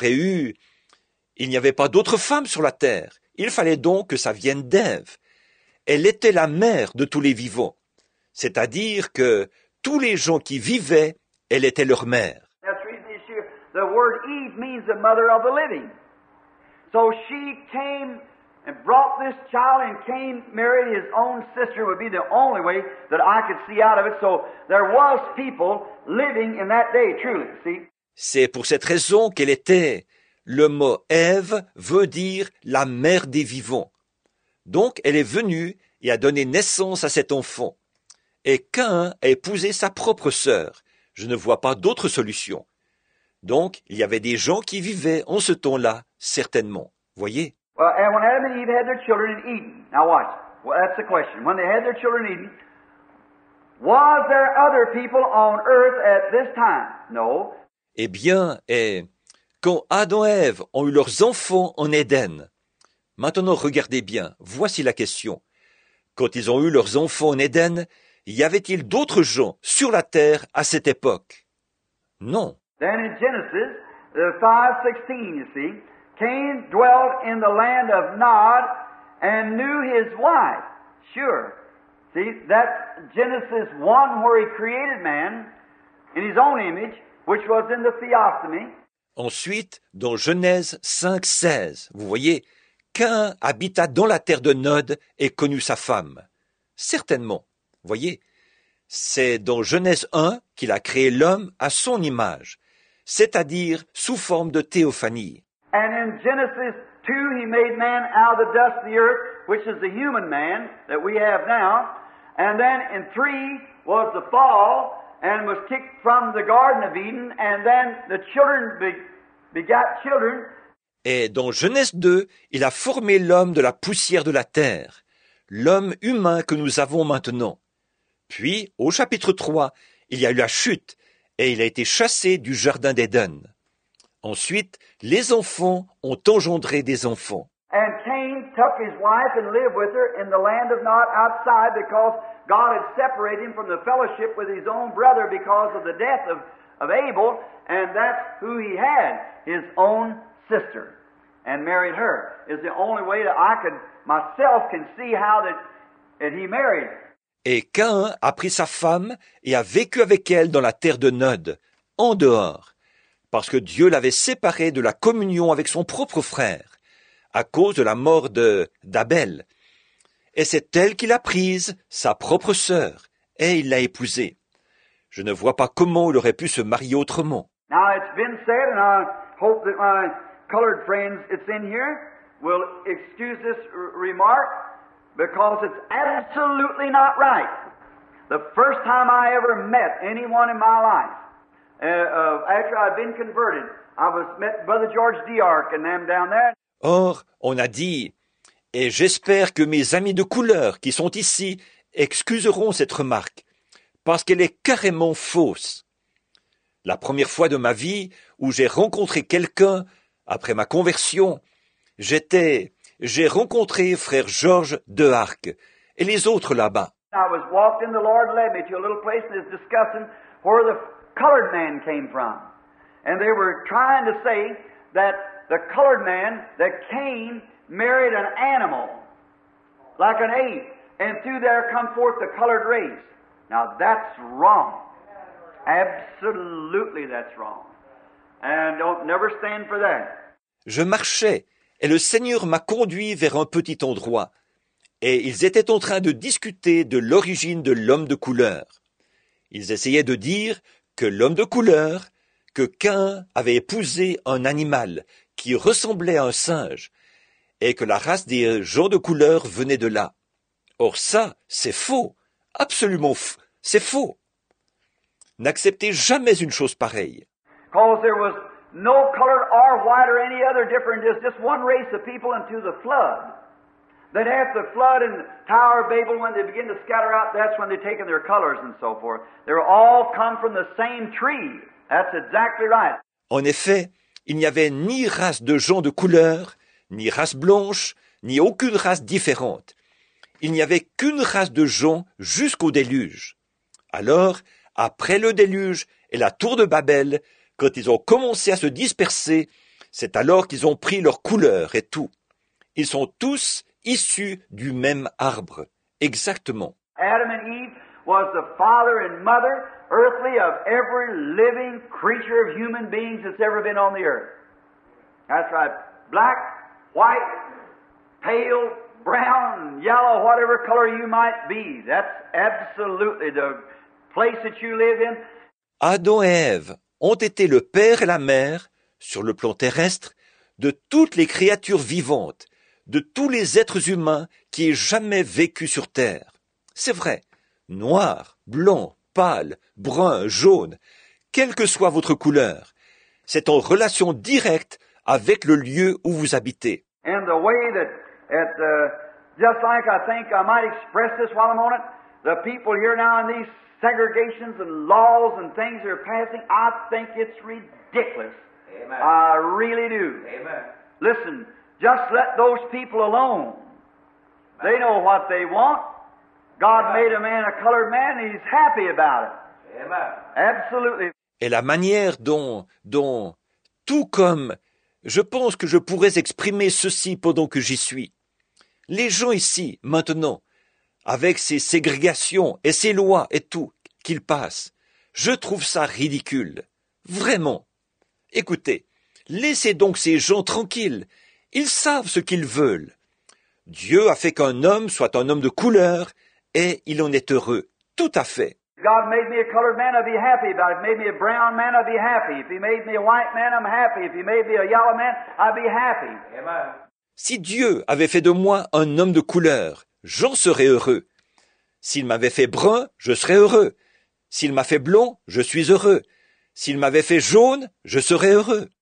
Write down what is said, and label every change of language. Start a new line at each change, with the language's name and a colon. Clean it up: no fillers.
French: Sinon, il n'y avait pas d'autres femmes sur la terre. Il fallait donc que ça vienne d'Ève. Elle était la mère de tous les vivants. C'est-à-dire que tous les gens qui vivaient, elle était leur mère.
English: The word Eve means the mother of the living. So she came and brought this child and Cain married his own sister would be the only way that I could see out of it. So there was people living in that day, truly, see?
French: C'est pour cette raison qu'elle était. Le mot Ève veut dire la mère des vivants. Donc elle est venue et a donné naissance à cet enfant. Et Cain a épousé sa propre sœur. Je ne vois pas d'autre solution. Donc il y avait des gens qui vivaient en ce temps-là, certainement. Voyez?
English: Well, and when Adam and Eve had their children in Eden, now watch, well, that's the question. When they had their children in Eden, was there other people on earth at this time? No.
French: Eh bien, et quand Adam et Ève ont eu leurs enfants en Éden, maintenant regardez bien, voici la question. Quand ils ont eu leurs enfants en Éden, y avait-il d'autres gens sur la terre à cette époque? Non.
English: Then in Genesis 5:16, you see, Cain dwelt in the land of Nod and knew his wife. Sure. See, that's Genesis 1 where he created man in his own image, which was in the theophany.
French: Ensuite, dans Genèse 5:16, vous voyez, Cain habita dans la terre de Nod et connut sa femme. Certainement, voyez, c'est dans Genèse 1 qu'il a créé l'homme à son image, c'est-à-dire sous forme de théophanie.
English: And in Genesis 2, he made man out of the dust of the earth, which is the human man that we have now. And then in 3 was the fall and was kicked from the Garden of Eden. And then the children begat children.
French: Et dans Genèse 2, il a formé l'homme de la poussière de la terre, l'homme humain que nous avons maintenant. Puis, au chapitre 3, il y a eu la chute et il a été chassé du jardin d'Éden. Ensuite, les enfants ont engendré des enfants.
English: And Cain took his wife and lived with her in the land of Nod outside because God had separated him from the fellowship with his own brother because of the death of Abel, and that's who he had, his own sister, and married her. It's the only way that I could myself can see how that he married.
French: Et Cain a pris sa femme et a vécu avec elle dans la terre de Nod, en dehors. Parce que Dieu l'avait séparé de la communion avec son propre frère, à cause de la mort d'Abel. Et c'est elle qui l'a prise, sa propre sœur, et il l'a épousée. Je ne vois pas comment il aurait pu se marier autrement.
English: Now it's been said, and I hope that my colored friends, it's in here, will excuse this remark because it's absolutely not right. The first time I ever met anyone in my life, after I'd been converted, I was met Brother George Dearc and them down there.
French: Or, on a dit, et j'espère que mes amis de couleur qui sont ici excuseront cette remarque, parce qu'elle est carrément fausse. La première fois de ma vie où j'ai rencontré quelqu'un après ma conversion, j'ai rencontré frère George Dearc et les autres là-bas.
English: I was walking, the Lord led me to a little place and was discussing where the colored man came from. And they were trying to say that the colored man, that Cain, married an animal, like an ape, and through there come forth the colored race. Now that's wrong. Absolutely that's wrong. And don't never stand for that.
French: Je marchais, et le Seigneur m'a conduit vers un petit endroit. Et ils étaient en train de discuter de l'origine de l'homme de couleur. Ils essayaient de dire que l'homme de couleur, que Cain avait épousé un animal qui ressemblait à un singe, et que la race des gens de couleur venait de là. Or ça, c'est faux, absolument faux, c'est faux. N'acceptez jamais une chose pareille.
English: Because there was no color or white or any other different, just one race of people into the flood. That after the flood and the Tower of Babel, when they begin to scatter out, that's when they're taking their colors and so forth. They're all come from the same tree. That's exactly right.
French: En effet, il n'y avait ni race de gens de couleur, ni race blanche, ni aucune race différente. Il n'y avait qu'une race de gens jusqu'au déluge. Alors, après le déluge et la tour de Babel, quand ils ont commencé à se disperser, c'est alors qu'ils ont pris leur couleur et tout. Ils sont tous issus du même arbre, exactement.
English: Adam and Eve was the father and mother, earthly, of every living creature of human beings that's ever been on the earth. That's right. Black, white, pale, brown, yellow, whatever color you might be. That's absolutely the place that you live in.
French: Adam et Ève ont été le père et la mère, sur le plan terrestre, de toutes les créatures vivantes, de tous les êtres humains qui aient jamais vécu sur terre. C'est vrai, noir, blanc, pâle, brun, jaune, quelle que soit votre couleur, c'est en relation directe avec le lieu où vous habitez.
English: And the way that, just like I think I might express this while I'm on it, the people here now in these segregations and laws and things that are passing, I think it's ridiculous. Amen. I really do. Amen. Listen, just let those people alone. They know what they want. God made a man a colored man, and he's happy about it. Amen. Absolutely.
French: Et la manière dont, tout comme, je pense que je pourrais exprimer ceci pendant que j'y suis. Les gens ici, maintenant, avec ces ségrégations et ces lois et tout qu'ils passent, je trouve ça ridicule. Vraiment. Écoutez, laissez donc ces gens tranquilles. Ils savent ce qu'ils veulent. Dieu a fait qu'un homme soit un homme de couleur et il en est heureux. Tout à fait.
English: God made me a colored man, I'd be happy about it. If he made me a brown man, I'd be happy. If he made me a white man, I'm happy. If he made me a yellow man, I'd be happy. Amen.
French: Si Dieu avait fait de moi un homme de couleur, j'en serais heureux. S'il m'avait fait brun, je serais heureux. S'il m'a fait blond, je suis heureux. S'il m'avait fait jaune, je serais heureux.